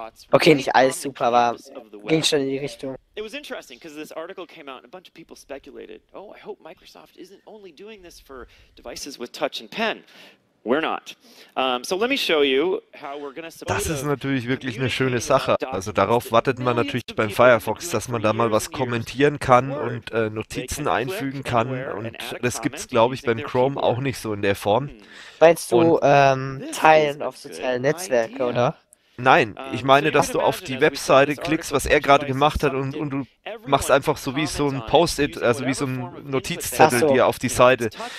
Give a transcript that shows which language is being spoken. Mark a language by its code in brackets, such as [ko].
[de] Okay, nicht alles super, aber ging schon in die Richtung. [en] It was interesting because this article came out and a bunch of people speculated, oh, I hope Microsoft isn't only doing this for devices with touch and pen. We're not. So let me show you how we're going to support. [de] Das ist natürlich wirklich eine schöne Sache. Also darauf wartet man natürlich beim Firefox, dass man da mal was kommentieren kann und Notizen einfügen kann. Und das gibt es, glaube ich, beim Chrome auch nicht so in der Form. Meinst du Teilen auf sozialen Netzwerke, oder? Nein, ich meine, dass du auf die Webseite klickst, was er gerade gemacht hat, und du machst einfach so wie so ein Post-it, also wie so ein Notizzettel dir auf die Seite.